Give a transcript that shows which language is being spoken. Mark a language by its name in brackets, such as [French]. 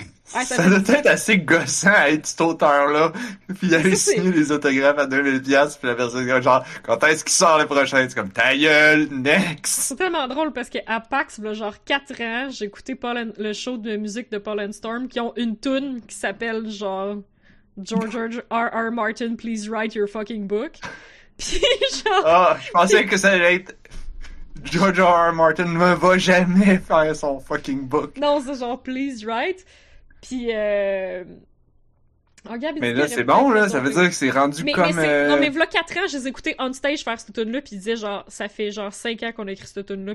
[French] Ça doit être assez gossant à être cet auteur-là, puis aller ça, signer les autographes à 2000$, puis la personne est genre, quand est-ce qu'il sort le prochain? C'est comme, ta gueule, [English] next! [French] C'est tellement drôle parce qu'à PAX, là, genre 4 ans, j'ai écouté le show de musique de Paul and Storm qui ont une toune qui s'appelle genre George R. R. [English] Martin, please write your fucking book. [French] Puis genre. Ah, je pensais que ça allait être. George R. R. Martin ne va jamais faire son fucking book. Non, c'est genre [English] please write. [French] Puis. Oh, Gab, mais là, c'est bon, là. Ça veut dire que c'est rendu mais, comme. Mais non, mais v'là 4 ans, je les écoutais [English] on stage [French] faire cette tune-là. Puis ils disaient, genre, ça fait genre 5 ans qu'on a écrit cette tune-là.